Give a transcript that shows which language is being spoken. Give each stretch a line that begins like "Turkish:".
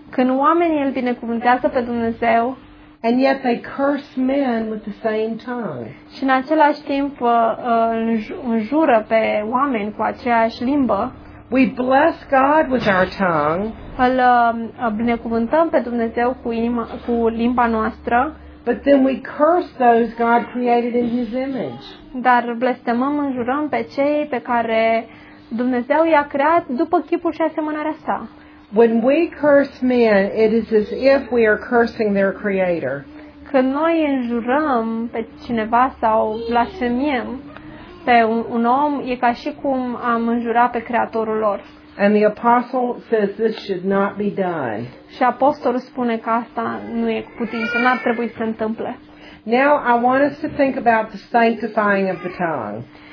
Romanian: când oamenii îl binecuvântează pe Dumnezeu,
English: and yet they curse men with the same tongue.
Romanian: Și în același timp înjură pe oameni cu aceeași limbă.
English: We bless God with our tongue.
Romanian: Îl binecuvântăm pe Dumnezeu cu limba noastră.
English: But then we curse those God created in His image.
Romanian: Dar blestemăm, înjurăm pe cei pe care Dumnezeu i-a creat după chipul și asemănarea Sa.
English: When we curse men, it is as if we are cursing their creator.
Romanian: Când noi înjurăm pe cineva sau blasfemiem pe un om, e ca și cum am înjurat pe creatorul lor.
English: And the apostle says this should not be done.
Romanian: Și apostolul spune că asta nu e cu putință, n-ar trebui să se întâmple.
English: Now I want us to think about the sanctifying of the tongue.